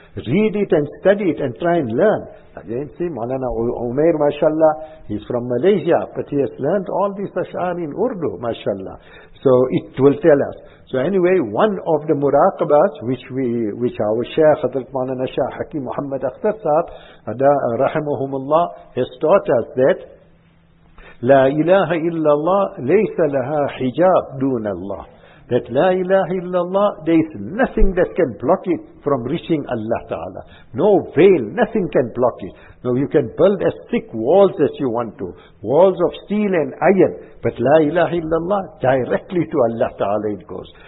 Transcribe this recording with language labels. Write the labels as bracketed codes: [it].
[en] Read it and study it and try and learn. Again, see, Maulana Umair, mashallah, he's from Malaysia, but he has learned all these ash'ar in Urdu, mashallah. So it will tell us. So anyway, one of the muraqabahs which our Shaykh Hazrat Maulana Shah Hakim Muhammad Akhtar Sahib, rahimahumullah, has taught us that [ar] لا إله إلا الله ليس لها حجاب دون الله. [en] That la ilaha illallah, there is nothing that can block it from reaching Allah Ta'ala. No veil, nothing can block it. No, you can build as thick walls as you want to, walls of steel and iron, but la ilaha illallah, directly to Allah Ta'ala it goes.